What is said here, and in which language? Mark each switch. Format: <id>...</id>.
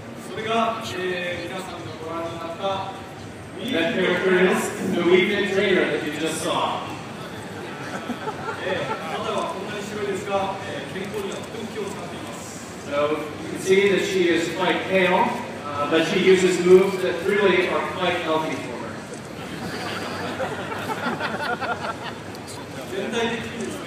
<ja>それが、皆さんのご覧になった</ja> <en>That character is the Weeping Trainer that you just saw.</en> <ja>あなたはこんなに白いですが、健康にはとても気を使っています。</ja> <en>So you can see that she is quite pale, but she uses moves that really are quite healthy for her.</en> <ja>全体的に</ja>